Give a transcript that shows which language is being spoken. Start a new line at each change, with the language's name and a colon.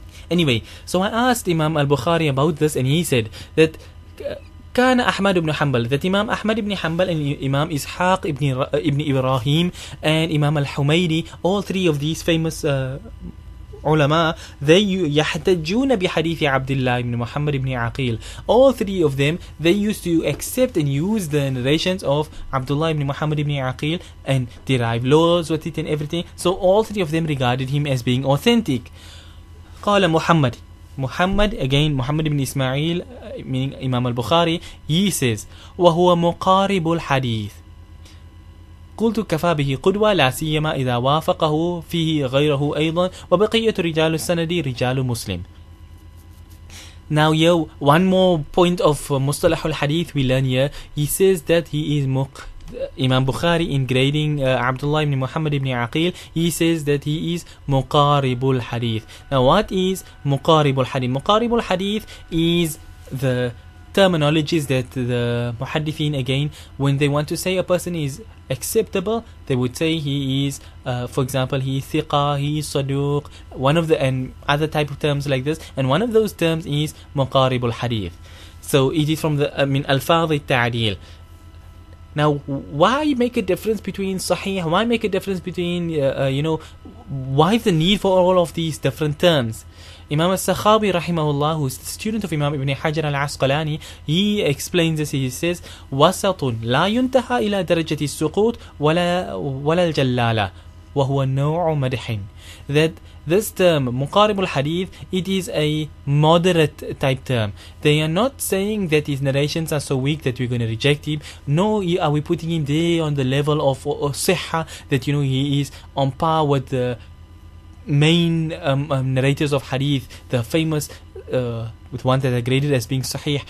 English: Anyway, so I asked Imam al-Bukhari about this and he said that Kana Ahmad ibn Hanbal, that Imam Ahmad ibn Hanbal and Imam Ishaq ibn Ibrahim and Imam al-Humaydi, all three of these famous ulama, they
Arabic: يحتجون بحديث عبد الله
English: ibn Muhammad ibn Aqil. All three of them, they used to accept and use the narrations of Abdullah ibn Muhammad ibn Aqil and derive laws with it and everything. So all three of them regarded him as being authentic.
Arabic: قال محمد محمد
English: again
Arabic: محمد بن إسماعيل
English: meaning Imam al-Bukhari, he says
Arabic: وهو مقارب الحديث قلت كفى به قدوة لا سيما إذا وافقه فيه غيره أيضا وبقية رجال السند رجال مسلم.
English: Now yo, one more point of مصطلح الحديث we learn here. He says that he is Imam Bukhari in grading Abdullah ibn Muhammad ibn Aqil, he says that he is Muqaribul Hadith. Now what is Muqaribul Hadith? Muqaribul Hadith is the terminologies that the Muhaddithin, again, when they want to say a person is acceptable, they would say he is, for example, he is thiqa, he is saduq, one of the and other type of terms like this, and one of those terms is Muqaribul Hadith. So it is from the min al-fadhi ta'dil. Now, why make a difference between sahih? Why make a difference between, why the need for all of these different terms? Imam al-Sakhawi, rahimahullah, who is the student of Imam Ibn Hajar al-Asqalani, he explains this. He says,
Arabic: وَسَطٌ لَا يُنْتَهَى إِلَى دَرَجَةِ السُّقُوتِ وَلَا الْجَلَّالَةِ وَهُوَ النَّوْعُ مَدْحٍ.
English: That this term, مقارب الحديث, it is a moderate type term. They are not saying that his narrations are so weak that we're going to reject him. No, are we putting him there on the level of صحة, that you know he is on par with the main narrators of hadith, the famous with ones that are graded as being sahih.